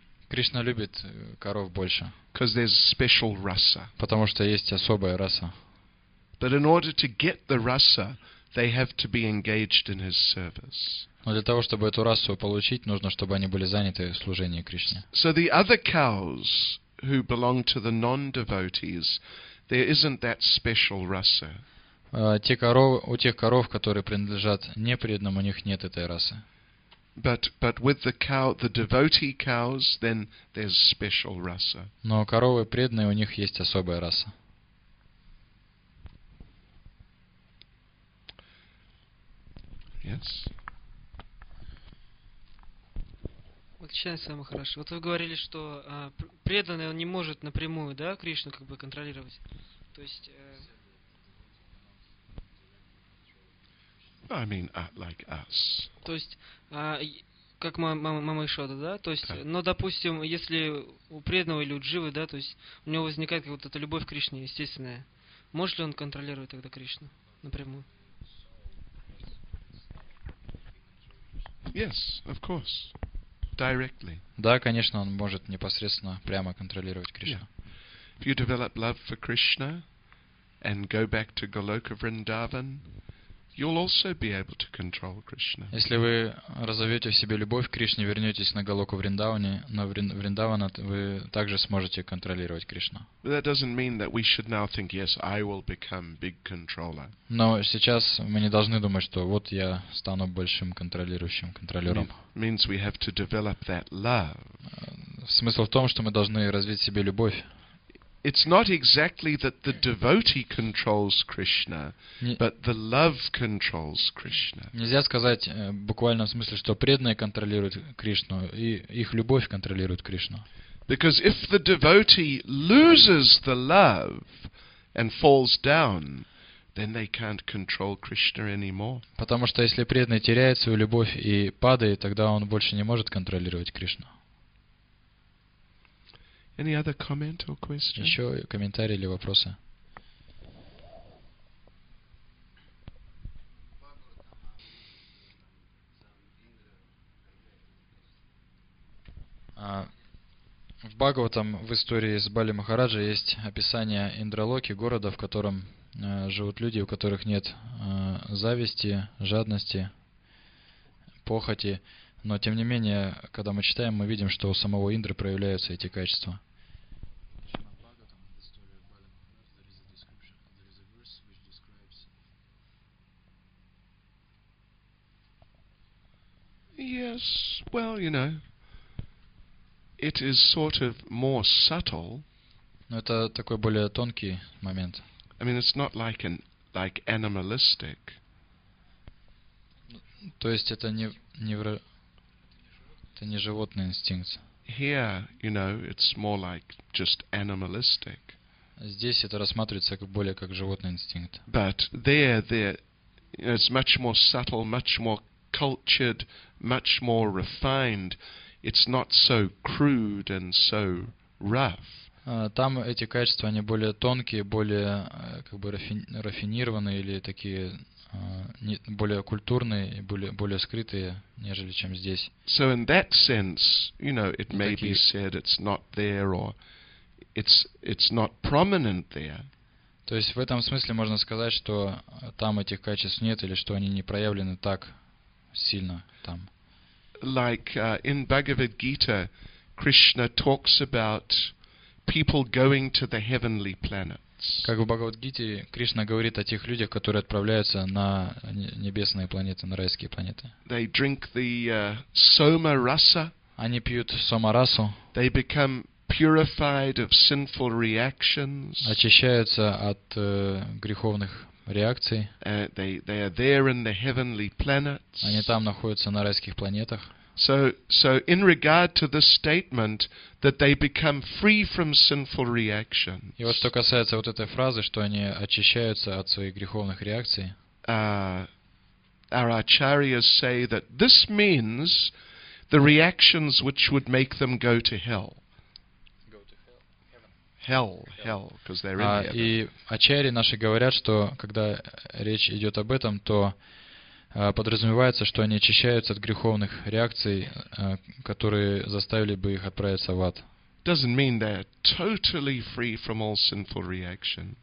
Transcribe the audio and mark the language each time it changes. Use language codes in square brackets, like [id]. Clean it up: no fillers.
[ru] Кришна любит коров больше. [en] Because there's special rasa. [ru] Потому что есть особая раса. [en] But in order to get the rasa, they have to be engaged in his service. [ru] Но для того, чтобы эту расу получить, нужно, чтобы они были заняты в служении Кришне. [en] So the other cows who belong to the non-devotees, there isn't that special rasa. [ru] У тех коров, которые принадлежат непреданным, у них нет этой расы. [en] But with the cow, the devotee cows, then there's special rasa. [ru] Но коровы преданные, у них есть особая раса. [en] Yes. [ru] Вот сейчас самое хорошее. Вот вы говорили, что преданный он не может напрямую, да, Кришну как бы контролировать. То есть. [en] I mean, like us. [ru] То есть, как мама Ишода, да? То есть, но допустим, если у преданного или у Дживы, да, то есть, у него возникает вот эта любовь к Кришне естественная. Может ли он контролировать тогда Кришну напрямую? [en] Yes, of course. Directly. [ru] Да, конечно, он может непосредственно прямо контролировать Кришну. [en] Yeah. If you develop love for Krishna and go back to Goloka Vrindavan, you'll also be able to control Krishna. [ru] Если вы разовьете в себе любовь к Кришне, вернетесь на Голоку Вриндаване, на Вриндавана, вы также сможете контролировать Кришну. [en] But that doesn't mean that we should now think, yes, I will become big controller. [ru] Но сейчас мы не должны думать, что вот я стану большим контролирующим контролером. [en] Means we have to develop that love. [ru] Смысл в том, что мы должны развить в себе любовь. [en] It's not exactly that the devotee controls Krishna, but the love controls Krishna. [ru] Нельзя сказать буквально в смысле, что преданные контролируют Кришну и их любовь контролирует Кришну. [en] Because if the devotee loses the love and falls down, then they can't control Krishna anymore. [ru] Потому что если преданный теряет свою любовь и падает, тогда он больше не может контролировать Кришну. [en] Any other comment or question? [ru] Еще комментарии или вопросы? В Бхагаватам, в истории с Бали Махараджа, есть описание Индралоки, города, в котором живут люди, у которых нет зависти, жадности, похоти. Но тем не менее, когда мы читаем, мы видим, что у самого Индры проявляются эти качества. [en] Yes, well, you know, it is sort of more subtle. [ru] Но это такой более тонкий момент. [en] I mean, it's not like like animalistic. [ru] То есть это не животный инстинкт. [en] Here, you know, it's more like just animalistic. [ru] Здесь это рассматривается как более как животный инстинкт. [en] But there, you know, it's much more subtle, much more cultured, much more refined. It's not so crude and so rough. [ru] Там эти качества они более тонкие, более как бы рафинированные или такие более культурные и более скрытые, нежели чем здесь. [en] So in that sense, you know, it may be said it's not there or it's not prominent there. [ru] То есть в этом смысле можно сказать, что там этих качеств нет или что они не проявлены так сильно там. [en] Like in Bhagavad Gita, Krishna talks about people going to the heavenly planets. [ru] Как в Бхагавад Гите Кришна говорит о тех людях, которые отправляются на небесные планеты, на райские планеты. [en] They drink the soma rasa. [ru] Они пьют сома расу. [en] They become purified of sinful reactions. [ru] Очищаются от греховных реакции. [en] They are there in the heavenly planets. [ru] Они там находятся на райских планетах. [en] So in regard to this statement that they become free from sinful reactions. [ru] И вот что касается вот этой фразы, что они очищаются от своих греховных реакций. [en] Our acharyas say that this means the reactions which would make them go to hell. Hell, because they're in heaven. [ru] И ачарьи наши говорят, что когда речь идет об этом, то подразумевается, что они очищаются от греховных реакций, которые заставили бы их отправиться в ад. [en] doesn't mean they're totally free from all sinful reactions.